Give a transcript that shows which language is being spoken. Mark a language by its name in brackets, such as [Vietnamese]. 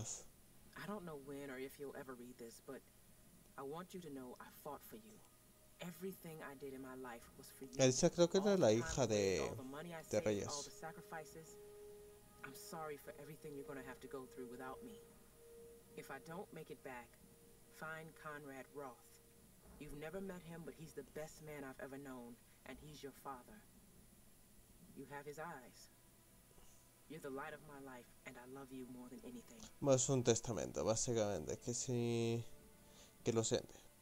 [Spanish] No sé cuándo o si lo leerás, pero... Quiero que sepas que he luchado por ti. [English] Everything I did in my life was for you. [Spanish] Elsa creo que era la hija de Reyes. [English] I'm sorry for everything you're going to have to go through without me. If I don't make it back, find Conrad Roth. You've never met him, but he's the best man I've ever known, and he's your father. You have his eyes. You're the light of my life, and I love you more than anything. [Spanish] Es un testamento, básicamente, que sí, que lo siente.